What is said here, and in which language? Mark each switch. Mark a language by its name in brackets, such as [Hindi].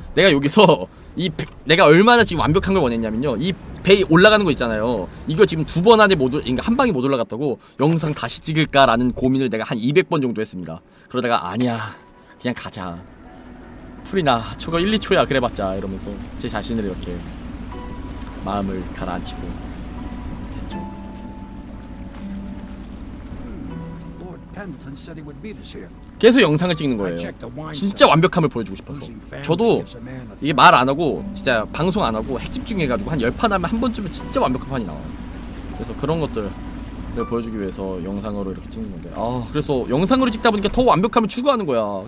[Korean] 내가 여기서 이 내가 얼마나 지금 완벽한 걸 원했냐면요 이 배 올라가는 거 있잖아요 이거 지금 두 번 안에 모두 그러니까 한 방에 못 올라갔다고 영상 다시 찍을까라는 고민을 내가 한 200번 정도 했습니다. 그러다가 아니야 그냥 가자 풀이나 저거 1-2초야 그래봤자 이러면서 제 자신을 이렇게 마음을 가라앉히고 됐죠. [English] Lord Pendleton said he would meet us here. [Korean] 계속 영상을 찍는 거예요. 진짜 완벽함을 보여주고 싶어서 저도 이게 말 안 하고 진짜 방송 안 하고 핵 집중해가지고 한 10판 하면 한 번쯤은 진짜 완벽한 판이 나와요. 그래서 그런 것들을 보여주기 위해서 영상으로 이렇게 찍는 건데 아 그래서 영상으로 찍다 보니까 더 완벽함을 추구하는 거야.